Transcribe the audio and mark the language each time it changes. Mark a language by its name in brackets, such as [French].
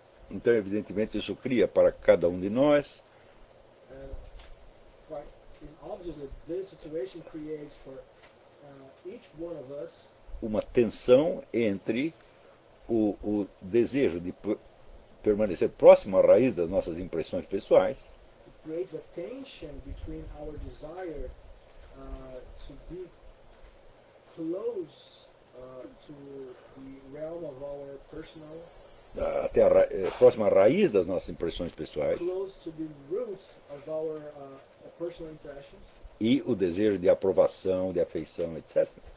[Portuguese] Então, evidentemente, isso cria para cada um de nós. [English] Obviously, this situation creates for each one of us [Portuguese] uma tensão entre o desejo de permanecer próximo à raiz das nossas impressões pessoais. [English] It creates a tension between our desire to be close to the realm of our personal, [Portuguese] até a próxima raiz das nossas impressões pessoais, [English] close to the roots of our personal impressions, [Portuguese] e o desejo de aprovação, de afeição, etc.